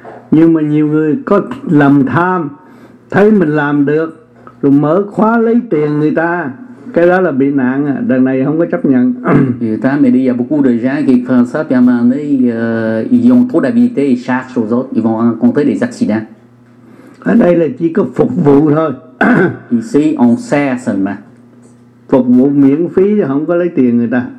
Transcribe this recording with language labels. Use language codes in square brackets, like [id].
[vi] Nhưng mà nhiều người có lòng tham, thấy mình làm được rồi mở khóa lấy tiền người ta, cái đó là bị nạn à, đằng này không có chấp nhận. Người ta mới đi, [fr] y a beaucoup de gens qui font ça, puis à un moment donné, ils ont trop d'habileté, ils cherchent aux autres, ils vont rencontrer des accidents. [vi] Ở đây là chỉ có phục vụ thôi. [fr] Ici, on sert seulement. [vi] Phục vụ miễn phí chứ không có lấy tiền người ta.